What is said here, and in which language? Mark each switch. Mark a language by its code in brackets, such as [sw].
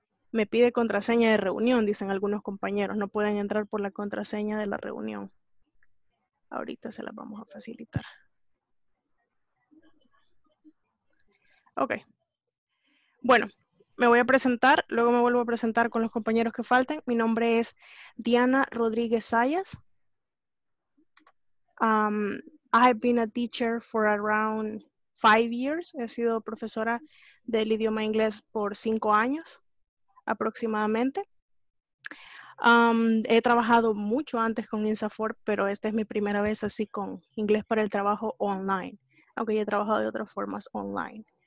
[es] Me pide contraseña de reunión, dicen algunos compañeros. No pueden entrar por la contraseña de la reunión. Ahorita se las vamos a facilitar. Ok. Bueno, me voy a presentar, luego me vuelvo a presentar con los compañeros que falten. Mi nombre es Diana Rodríguez Sayas. [en] I have been a teacher for around 5 years. [es] He sido profesora del idioma inglés por 5 años aproximadamente. He trabajado mucho antes con INSAFOR, pero esta es mi primera vez así con inglés para el trabajo online, aunque ya he trabajado de otras formas online.